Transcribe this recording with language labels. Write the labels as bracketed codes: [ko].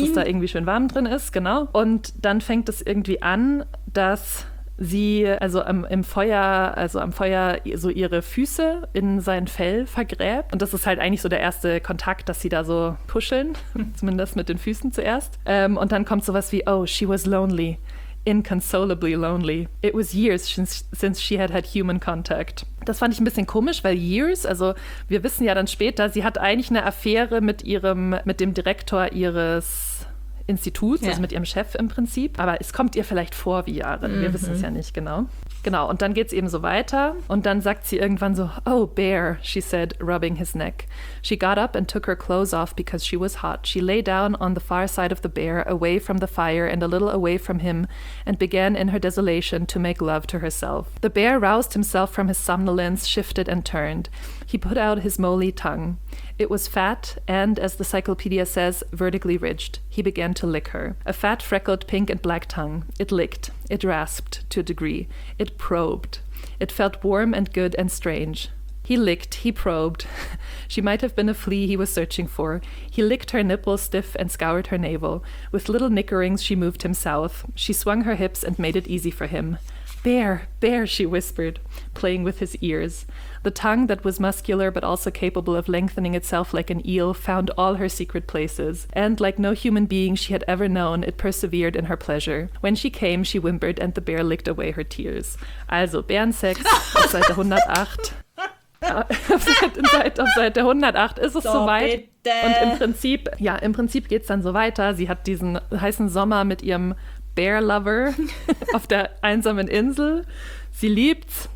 [de] dass es da irgendwie schön warm drin ist, genau. Und dann fängt es irgendwie an, dass sie also am Feuer so ihre Füße in sein Fell vergräbt. Und das ist halt eigentlich so der erste Kontakt, dass sie da so puscheln, zumindest mit den Füßen zuerst. Und dann kommt sowas wie, [en] oh, she was lonely. inconsolably lonely. It was years since she had had human contact. [de] Das fand ich ein bisschen komisch, weil years, also wir wissen ja dann später, sie hat eigentlich eine Affäre mit ihrem, mit dem Direktor ihres Instituts, also mit ihrem Chef im Prinzip. Aber es kommt ihr vielleicht vor wie Jahre. Mhm. Wir wissen es ja nicht genau. Genau, und dann geht's eben so weiter. Und dann sagt sie irgendwann so, [en] oh, Bear, she said, rubbing his neck. She got up and took her clothes off because she was hot. She lay down on the far side of the bear, away from the fire and a little away from him, and began in her desolation to make love to herself. The bear roused himself from his somnolence, shifted and turned. He put out his moly tongue. It was fat and, as the cyclopedia says, vertically ridged. He began to lick her. A fat, freckled, pink and black tongue. It licked. It rasped to a degree. It probed. It felt warm and good and strange. He licked. He probed. She might have been a flea he was searching for. He licked her nipple stiff and scoured her navel. With little nickerings, she moved him south. She swung her hips and made it easy for him. Bear, bear, she whispered, playing with his ears. The tongue that was muscular but also capable of lengthening itself like an eel found all her secret places, and like no human being she had ever known, it persevered in her pleasure. When she came, she whimpered and the bear licked away her tears. [de] Also, Bärensex, auf Seite 108. auf Seite 108 ist es soweit. Und im Prinzip, ja, im Prinzip geht's dann so weiter. Sie hat diesen heißen Sommer mit ihrem Bear Lover auf der einsamen Insel. Sie liebt's.